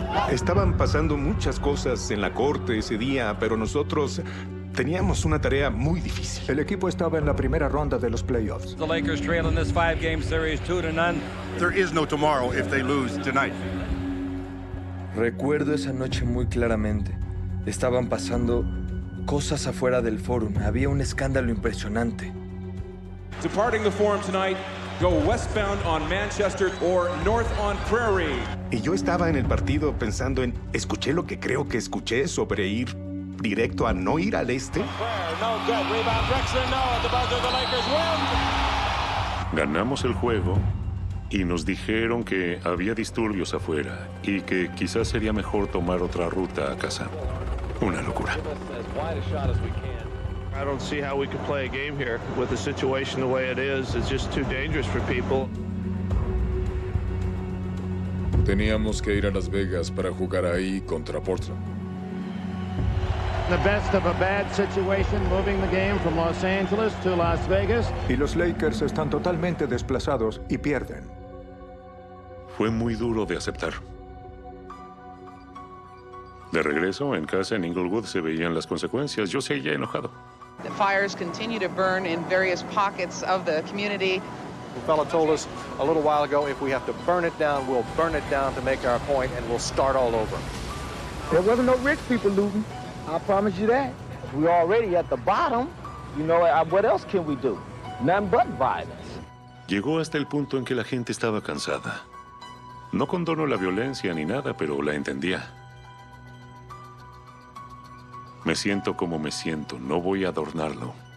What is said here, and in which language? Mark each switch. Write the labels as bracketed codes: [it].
[es] Estaban pasando muchas cosas en la corte ese día, pero nosotros teníamos una tarea muy difícil. El equipo estaba en la primera ronda de los playoffs. [en] The Lakers trail in this 5-game series 2-0. There is no tomorrow if they lose tonight. [es] Recuerdo esa noche muy claramente. Estaban pasando cosas afuera del forum. Había un escándalo impresionante. [en] Departing the forum tonight, go westbound on Manchester or north on Prairie. [es] Y yo estaba en el partido pensando en, escuché lo que creo que escuché sobre ir directo a no ir al este. Ganamos el juego y nos dijeron que había disturbios afuera y que quizás sería mejor tomar otra ruta a casa. Una locura. [en] I don't see how we could play a game here with the situation the way it is. It's just too dangerous for people. [es] Teníamos que ir a Las Vegas para jugar ahí contra Portland. [en] The best of a bad situation, moving the game from Los Angeles to Las Vegas. [es] Y los Lakers están totalmente desplazados y pierden. Fue muy duro de aceptar. De regreso, en casa, en Inglewood, se veían las consecuencias. Yo seguía enojado. [en] The fires continue to burn in various pockets of the community. The fella told us a little while ago, if we have to burn it down, we'll burn it down to make our point, and we'll start all over. There wasn't no rich people looting, I promise you that. We already at the bottom, you know, what else can we do? Nothing but violence. [es] Llegó hasta el punto en que la gente estaba cansada. No condono la violencia ni nada, pero la entendía. Me siento como me siento. No voy a adornarlo.